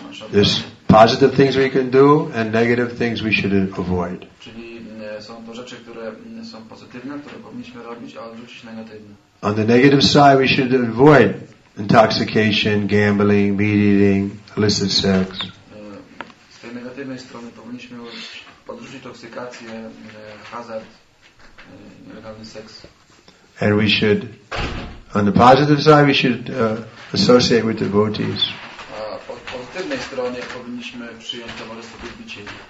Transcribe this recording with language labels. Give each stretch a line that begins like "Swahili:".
English: There's positive things we can do and negative things we should avoid.
Polish: Są to rzeczy, które są pozytywne, które powinniśmy robić, a odrzucić negatywne.
English: On the negative side, we should avoid intoxication, gambling, meat eating, illicit sex.
Polish: Z tej negatywnej strony powinniśmy odrzucić toksykację, hazard, nielegalny seks.
English: And we should, on the positive side, we should associate with devotees.
Polish: A po pozytywnej stronie powinniśmy przyjąć towarzystwo wielbicieli.